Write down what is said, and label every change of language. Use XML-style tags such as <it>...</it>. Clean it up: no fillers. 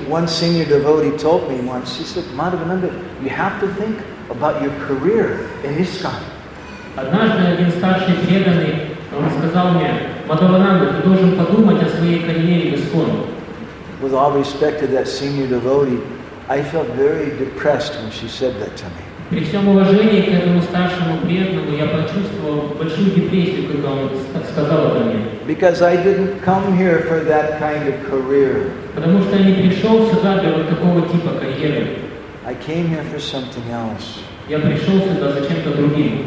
<en>One senior devotee told me once, he said, Madhavananda, you have to think about your career in ISKCON.</en> <ru>Однажды один старший преданный, он сказал мне, Мадхавананда, ты должен подумать о своей карьере в ISKCON.</ru> <en>With all respect to that senior devotee, I felt very depressed when she said that to me.</en> <ru>При всем уважении к этому старшему преданному, я почувствовал большую депрессию, когда он сказал это мне.</ru> <en>Because I didn't come here for that kind of career.</en> <ru>Потому что я не пришел сюда для вот такого типа карьеры.</ru> <en>I came here for something else.</en> <ru>Я пришел сюда за чем-то другим.</ru>